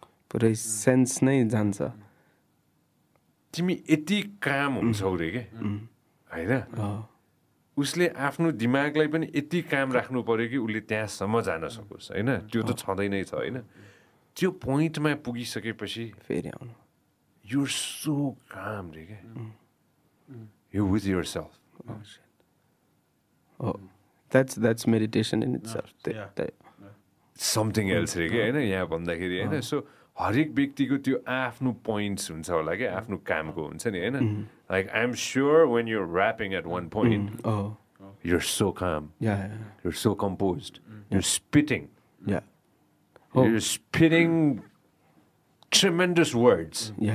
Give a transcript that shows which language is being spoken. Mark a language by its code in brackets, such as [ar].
[ne] पुरै सेन्स नै जान्छ. तिमी यति काम हुन्छौ रे क्या होइन. उसले आफ्नो दिमागलाई पनि यति काम राख्नु पर्यो कि उसले त्यहाँसम्म जान सकोस् होइन. त्यो त छँदै नै छ होइन. त्यो पोइन्टमा पुगिसकेपछि फेरि आउनु, [en] You are so calm रे क्या, you with yourself. That's meditation in itself. Something else [ne] रे क्या होइन यहाँ भन्दाखेरि होइन. सो हरेक व्यक्तिको त्यो आफ्नो पोइन्ट्स हुन्छ होला क्या, आफ्नो कामको हुन्छ नि होइन. [en] Like I am sure when you're rapping at one point you are so calm, you are so compose, you are spitting, you are spitting tremendous words.